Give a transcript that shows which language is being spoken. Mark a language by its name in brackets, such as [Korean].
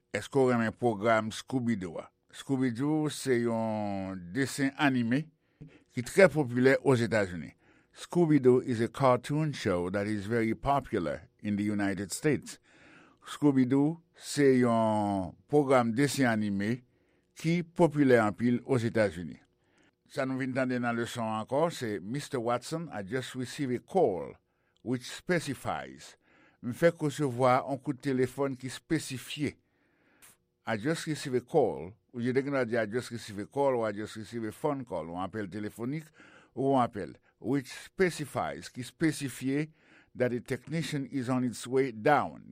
[French] Est-ce qu'on aime un programme Scooby-Doo? Scooby-Doo, c'est un dessin animé qui est très populaire aux États-Unis. [English] Scooby-Doo is a cartoon show that is very popular in the United States. [French] Scooby-Doo, c'est un programme dessin animé qui populaire en pile aux États-Unis. Ça nous vient d'entendre dans le son encore, c'est Mr. [English] Watson, I just received a call which specifies. [French] Me fait recevoir un coup de téléphone qui spécifie. [English] I just received a call, ou je déclare dire I just received a call, ou I just received a phone call, ou un appel téléphonique, ou un appel, which specifies, qui spécifie that a technician is on its way down.